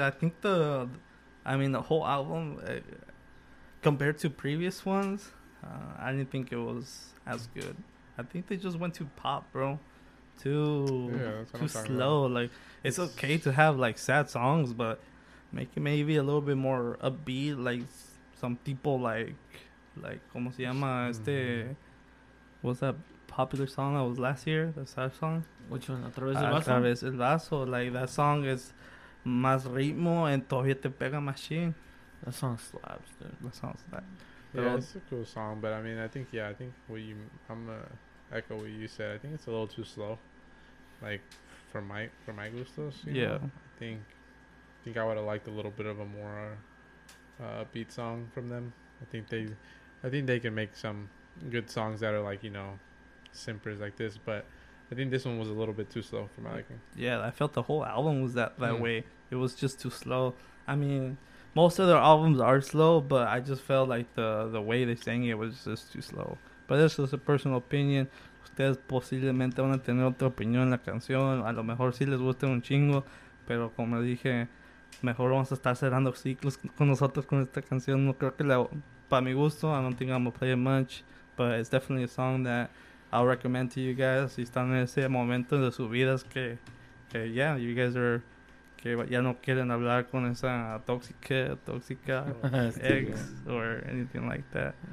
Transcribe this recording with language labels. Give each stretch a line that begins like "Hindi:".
English: I think the whole album, compared to previous ones, I didn't think it was as good. I think they just went too pop, bro. Too slow. About. Like, it's okay to have, like, sad songs, but make it maybe a little bit more upbeat. Like, some
Spanish: tipo, like, ¿cómo se llama este?
English: What's that popular song that was last year? The sad song? Which one? A Través del Vaso? A Través del Vaso. Like, that song is
Spanish: más ritmo
English: and
Spanish: todavía te pega más
English: shit. That song slaps, dude. That song slaps. Yeah, but it's a cool song, but I mean, I think what you, I'm going to echo what you said. I think it's a little too slow, like, for my gustos. Yeah. I think I would have liked a little bit of a more upbeat song from them. I think they can make some good songs that are, like, you know, simpers like this, but I think this one was a little bit too slow for my liking. Yeah, I felt the whole album was that way. It was just too slow. I mean... Most of their albums are slow, but I just felt like the way they sang it was just too slow. But this is a personal opinion.
Spanish: Ustedes posiblemente van a tener otra opinión en la canción. A lo mejor sí les guste un chingo. Pero como dije, mejor vamos a estar cerrando ciclos con nosotros con esta canción. No creo que la... Para mi gusto,
English: I don't think I'm going to play it much. But it's definitely a song that I'll recommend to you guys.
Spanish: Si están en ese momento de sus vidas que
English: yeah, you guys are...
Spanish: Que ya no quieren hablar con esa tóxica ex
English: or anything like that.